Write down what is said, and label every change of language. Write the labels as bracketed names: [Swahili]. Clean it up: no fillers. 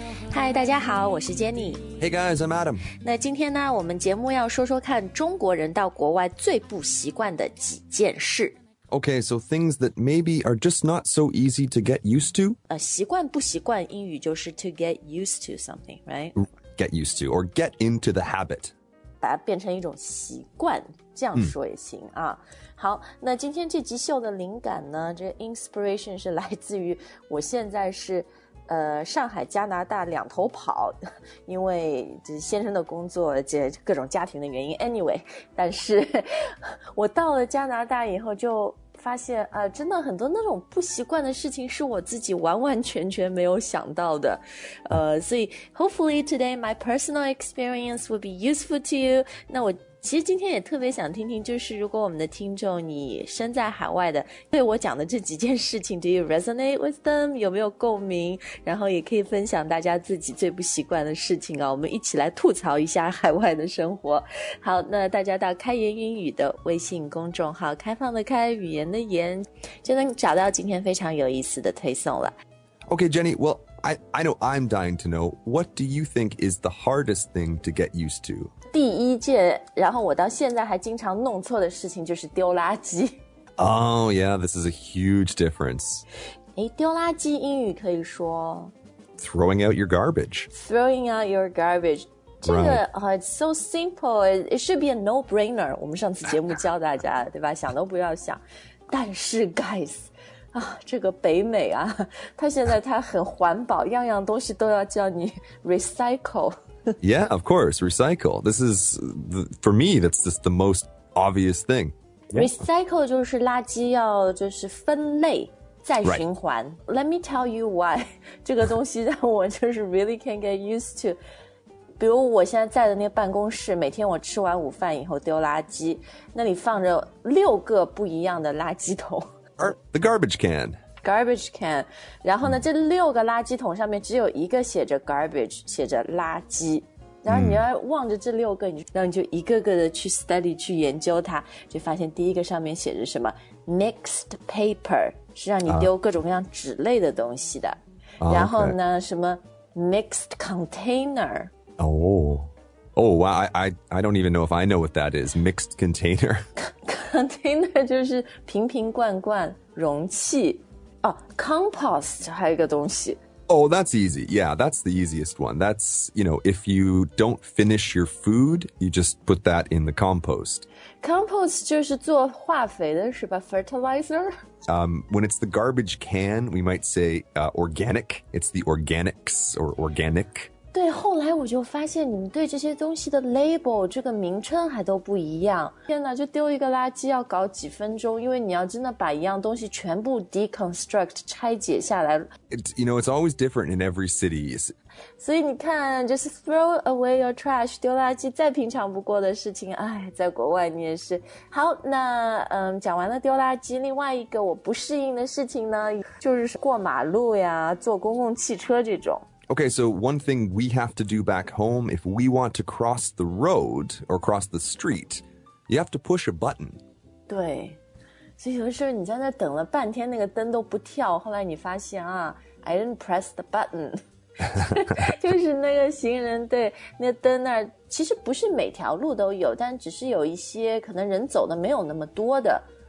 [Chinese] 嗨，大家好，我是 Jenny。 [English] Hey guys, I'm Adam。 [Chinese] 那今天呢，我们节目要说说看中国人到国外最不习惯的几件事。 [English] Okay, so things that maybe are just not so easy to get used to. [Chinese] 习惯不习惯英语就是 [English] to get used to something, right? Get used to, or get into the habit. [Chinese] 把它变成一种习惯，这样说也行啊。好，那今天这集秀的灵感呢，这个 inspiration 是来自于我现在是上海加拿大两头跑，因为这先生的工作这各种家庭的原因 anyway, 但是我到了加拿大以后就发现啊，真的很多那种不习惯的事情是我自己完完全全没有想到的。所以 [English] hopefully today my personal experience will be useful to you. [Chinese] 那我其实今天也特别想听听，就是如果我们的听众你身在海外的，对我讲的这几件事情 [English] do you resonate with them? [Chinese] 有没有共鸣？然后也可以分享大家自己最不习惯的事情啊，我们一起来吐槽一下海外的生活。好，那大家到开言英语的微信公众号，开放的开，语言的言，就能找到今天非常有意思的推送了。 [English] OK Jenny, well I know I'm dying to know, what do you think is the hardest thing to get used to? [Chinese] 第一件，然后我到现在还经常弄错的事情就是丢垃圾。 [English] Oh yeah, this is a huge difference. [Chinese] 诶，丢垃圾英语可以说 [English] throwing out your garbage. Throwing out your garbage. [Chinese] 这个、 [English] right. It's so simple. It should be a no-brainer. [Chinese] 我们上次节目教大家，对吧？想都不要想。但是 guys, 啊，这个北美啊，它现在它很环保，样样东西都要叫你 recycle。 [English] Yeah, of course, recycle. This is, for me, that's just the most obvious thing. [Chinese] Recycle 就是垃圾要就是分类再循环。 [English] Right. Let me tell you why. [Chinese] 这个东西让我就是 [English] really can't get used to. [Chinese] 比如我现在在的那个办公室，每天我吃完午饭以后丢垃圾，那里放着六个不一样的垃圾桶。 [English] The garbage can. [Chinese] Garbage can, 然后呢、这六个垃圾桶上面只有一个写着 garbage, 写着垃圾。然后你要望着这六个、然后你就一个个的去 study, 去研究它，就发现第一个上面写着什么 mixed paper, 是让你丢各种各样纸类的东西的。然后呢、什么 mixed container。 [English] I don't even know if I know what that is, mixed container. [Chinese] Container 就是瓶瓶罐罐容器。 Compost 还有一个东西。 [English] Oh, that's easy. Yeah, that's the easiest one. That's, you know, if you don't finish your food, you just put that in the compost. [Chinese] Compost 就是做化肥的是吧 ?Fertilizer? [English] When it's the garbage can, we might say organic. It's the organics or organic. [Chinese] 对，后来我就发现你们对这些东西的 label 这个名称还都不一样。天哪，就丢一个垃圾要搞几分钟，因为你要真的把一样东西全部 deconstruct 拆解下来。 [English] You know, it's always different in every city. [Chinese] 所以你看，就是 [English] throw away your trash, [Chinese] 丢垃圾再平常不过的事情，哎，在国外你也是。好，那讲完了丢垃圾，另外一个我不适应的事情呢，就是过马路呀，坐公共汽车这种。 [English] Okay, so one thing we have to do back home, if we want to cross the road or cross the street, you have to push a button. [Chinese] 对，所以有的时候你在那等了半天，那个灯都不跳，后来你发现啊 ， [English] I didn't press the button. [Chinese] 就是那个行人对那灯那儿，其实不是每条路都有，但只是有一些可能人走的没有那么多的。